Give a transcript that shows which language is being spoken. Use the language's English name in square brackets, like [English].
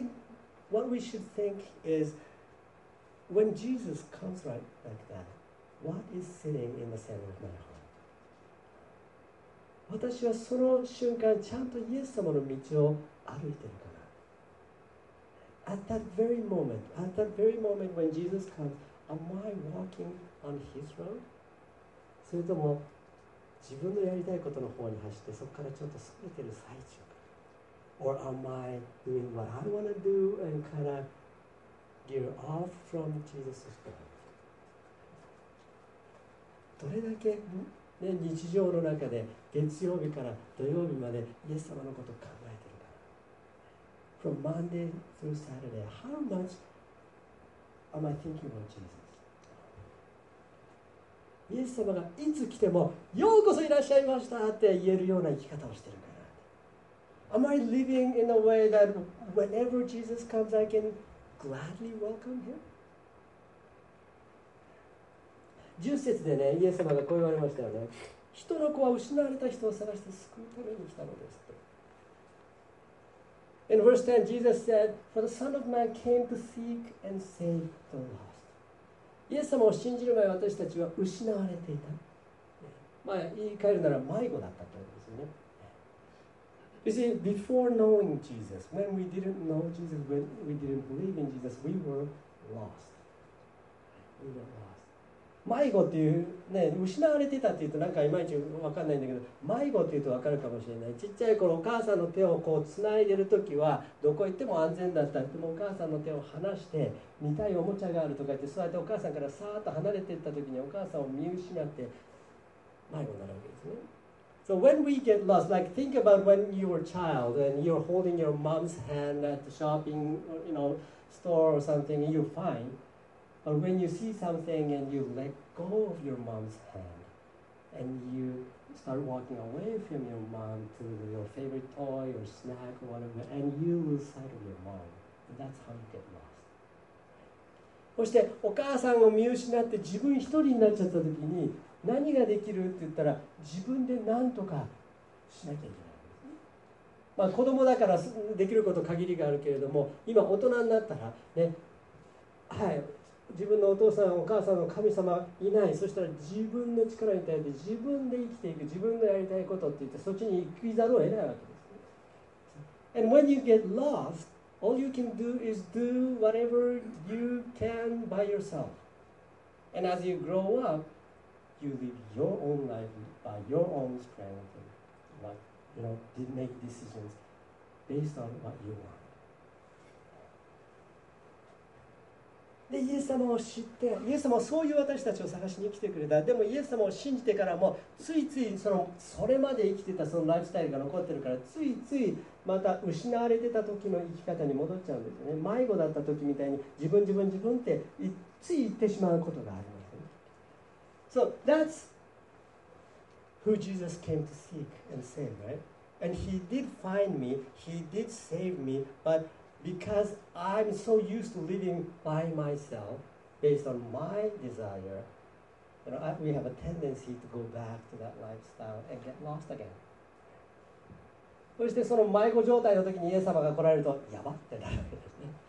[English] But I think what we should think is, when Jesus comes right like that, what is sitting in the center of my heart? [Japanese] 私はその瞬間、ちゃんとイエス様の道を歩いてるか。 [English] At that very moment when Jesus comes, am I walking on his road? [Japanese] それとも自分のやりたいことの方に走ってそこからちょっとそれてる最中か。 [English] Or am I doing what I want to do and kind of gear off from Jesus' plan? [Japanese] どれだけ、ね、日常の中で月曜日から土曜日までイエス様のことを考えてる。 [English] From Monday through Saturday, how much am I thinking about Jesus? [Japanese] イエス様がいつ来てもようこそいらっしゃいましたって言えるような生き方をしているかな。 [English] Am I living in a way that whenever Jesus comes, I can gladly welcome him? [Japanese] 10節でね、イエス様がこう言われましたよね。人の子は失われた人を探して救うためにしたのですと。 [English] In verse 10, Jesus said, For the Son of Man came to seek and save the lost. [Japanese] イエス様を信じる前、私たちは失われていた。まあ、言い換えるなら迷子だったと思うんですよね。 [English] You see, before knowing Jesus, when we didn't know Jesus, when we didn't believe in Jesus, we were lost. We were lost. [Japanese] 迷子っていうね、失われてたっていうとなんかいまいち分かんないんだけど、迷子っていうと分かるかもしれない。ちっちゃい頃お母さんの手をこうつないでるときはどこ行っても安全だった。でもお母さんの手を離して見たいおもちゃがあるとか言って、そうやってお母さんからさーっと離れていったときにお母さんを見失って迷子になるわけですね。 [English] So when we get lost, like think about when you were a child and you're holding your mom's hand at the shopping, or, you know, store or something, and you're fine. But when you see something and you let go of your mom's hand and you start walking away from your mom to your favorite toy or snack or whatever, and you lose sight of your mom, and that's how you get lost. [Japanese] そしてお母さんを見失って自分一人になっちゃった時に、何ができるって言ったら自分で何とかしなきゃいけない。まあ子供だからできること限りがあるけれども、今大人になったらね、はい、自分のお父さんお母さんの神様いない、そしたら自分の力に頼って自分で生きていく、自分のやりたいことって言ってそっちに行きざるを得ないわけです。 [English] And when you get lost, all you can do is do whatever you can by yourself. And as you grow upYou live your own life by your own strength, and, like, you know, make decisions based on what you want. [Japanese] で、イエス様を知って、イエス様はそういう私たちを探しに来てくれた。でもイエス様を信じてからも、ついついそれまで生きてたそのライフスタイルが残ってるから、ついついまた失われてた時の生き方に戻っちゃうんですよね。迷子だった時みたいに自分自分自分ってつい言ってしまうことがあります。 [English] So that's who Jesus came to seek and save, right? And he did find me, he did save me, but because I'm so used to living by myself, based on my desire, you know, we have a tendency to go back to that lifestyle and get lost again. [Japanese] そしてその迷子状態の時にイエス様が来られるとやばってなるわけですね。